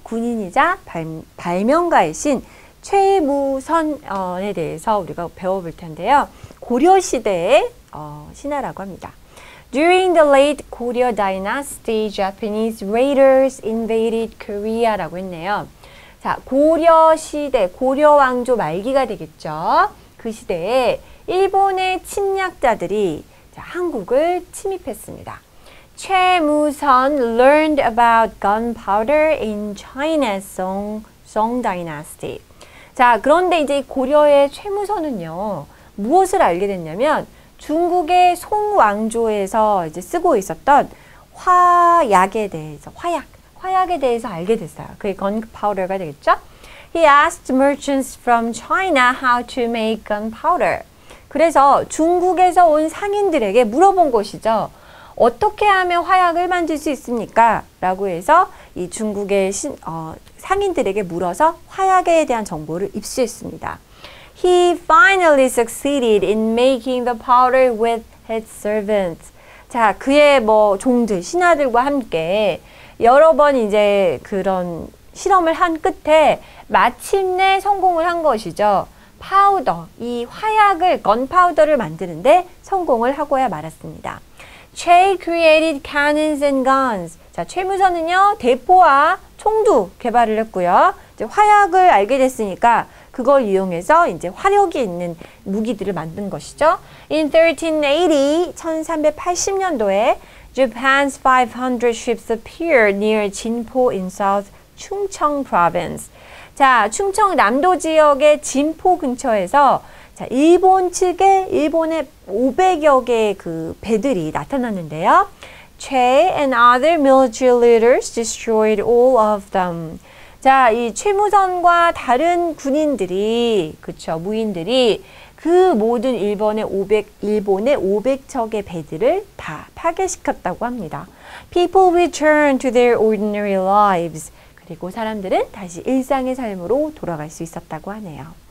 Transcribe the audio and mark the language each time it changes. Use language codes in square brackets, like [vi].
[ko] 군인이자 발명가이신 최무선에 대해서 우리가 배워볼 텐데요. 고려시대의 신화라고 합니다. [en] During the late Goryeo Dynasty, Japanese raiders invaded Korea [ko] 라고 했네요. 자, 고려시대, 고려왕조 말기가 되겠죠. 그 시대에 일본의 침략자들이 한국을 침입했습니다. 최무선 [en] learned about gunpowder in China's Song Dynasty. [ko] 자, 그런데 이제 고려의 최무선은요, 무엇을 알게 됐냐면 중국의 송 왕조에서 이제 쓰고 있었던 화약에 대해서 알게 됐어요. 그게 gunpowder가 되겠죠? [en] He asked merchants from China how to make gunpowder. [ko] 그래서 중국에서 온 상인들에게 물어본 것이죠. 어떻게 하면 화약을 만들 수 있습니까? 라고 해서 이 중국의 상인들에게 물어서 화약에 대한 정보를 입수했습니다. [en] He finally succeeded in making the powder with his servants. [ko] 자, 그의 뭐 종들, 신하들과 함께 여러 번 이제 그런 실험을 한 끝에 마침내 성공을 한 것이죠. 파우더, 이 화약을, 건파우더를 만드는데 성공을 하고야 말았습니다. [en] Che created cannons and guns. [ko] 자, 최무선은요, 대포와 총도 개발을 했고요. 이제 화약을 알게 됐으니까 그걸 이용해서 이제 화력이 있는 무기들을 만든 것이죠. [en] In 1380, [ko] 1380년도에 [en] Japan's 500 ships appeared near Jinpo in South Chungcheong Province. [ko] 자, 충청 남도 지역의 진포 근처에서 자, 일본 측에 일본의 500여 개의 그 배들이 나타났는데요. [en] Che and other military leaders destroyed all of them. [ko] 자, 이 최무선과 다른 군인들이, 그쵸, 무인들이 그 모든 일본의 500척의 배들을 다 파괴시켰다고 합니다. [en] People returned to their ordinary lives. [ko] 그리고 사람들은 다시 일상의 삶으로 돌아갈 수 있었다고 하네요.